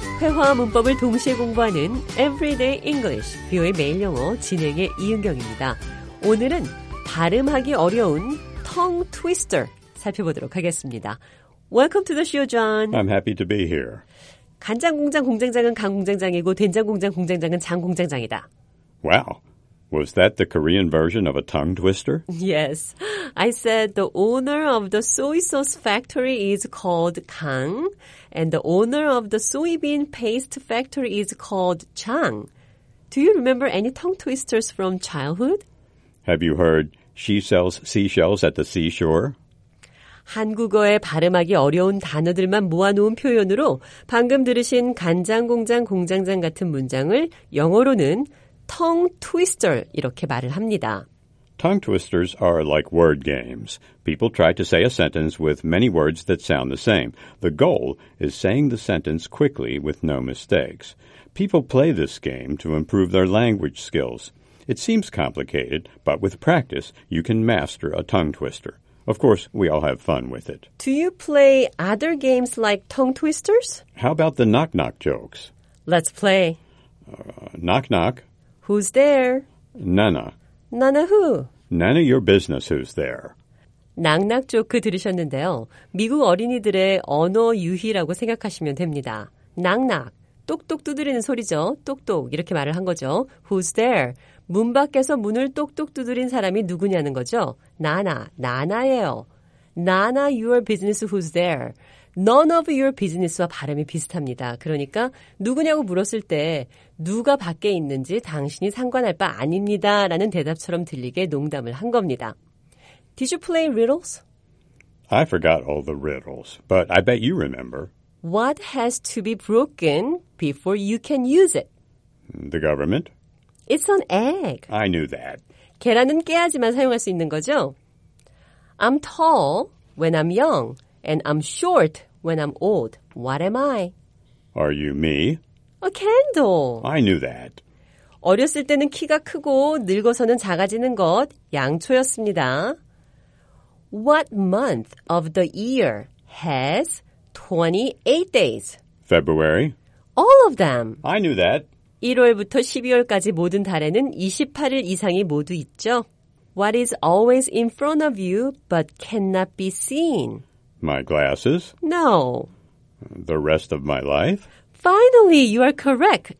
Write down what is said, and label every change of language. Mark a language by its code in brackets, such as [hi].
[ko] 회화 문법을 동시에 공부하는 Everyday English, 뷰의 매일 영어 진행의 이은경입니다. 오늘은 발음하기 어려운 tongue twister 살펴보도록 하겠습니다. [en] Welcome to the show, John. I'm happy to be here. [ko] 간장 공장 공장장은 강 공장장이고 된장 공장 공장장은 장 공장장이다. [en] Wow. Was that the Korean version of a tongue twister? Yes. I said the owner of the soy sauce factory is called Kang, and the owner of the soybean paste factory is called Chang. Do you remember any tongue twisters from childhood? Have you heard, she sells seashells at the seashore? [ko] 한국어에 발음하기 어려운 단어들만 모아놓은 표현으로 방금 들으신 간장 공장 공장장 같은 문장을 영어로는 tongue twister 이렇게 말을 합니다. [en] Tongue twisters are like word games. People try to say a sentence with many words that sound the same. The goal is saying the sentence quickly with no mistakes. People play this game to improve their language skills. It seems complicated, but with practice, you can master a tongue twister. Of course, we all have fun with it. Do you play other games like tongue twisters? How about the knock-knock jokes? Let's play. Knock-knock. Who's there? Nana. Nana who? Nana your business who's there. [ko] 낙낙 조크 들으셨는데요. 미국 어린이들의 언어 유희라고 생각하시면 됩니다. 낙낙, 똑똑 두드리는 소리죠. 똑똑 이렇게 말을 한 거죠. [en] Who's there? [ko] 문 밖에서 문을 똑똑 두드린 사람이 누구냐는 거죠. 나나, 나나예요. [en] Nana your business who's there. None of your business와 [ko] 발음이 비슷합니다. 그러니까 누구냐고 물었을 때 누가 밖에 있는지 당신이 상관할 바 아닙니다 라는 대답처럼 들리게 농담을 한 겁니다. [en] Did you play riddles? I forgot all the riddles, but I bet you remember. What has to be broken before you can use it? The government. It's an egg. I knew that. [ko] 계란은 깨야지만 사용할 수 있는 거죠. [en] I'm tall when I'm young. And I'm short when I'm old. What am I? Are you me? A candle. I knew that. [ko] 어렸을 때는 키가 크고 늙어서는 작아지는 것, 양초였습니다. [en] What month of the year has 28 days? February. All of them. I knew that. [ko] 1월부터 12월까지 모든 달에는 28일 이상이 모두 있죠. [en] What is always in front of you but cannot be seen? My glasses? No. The rest of my life? Finally, you are correct.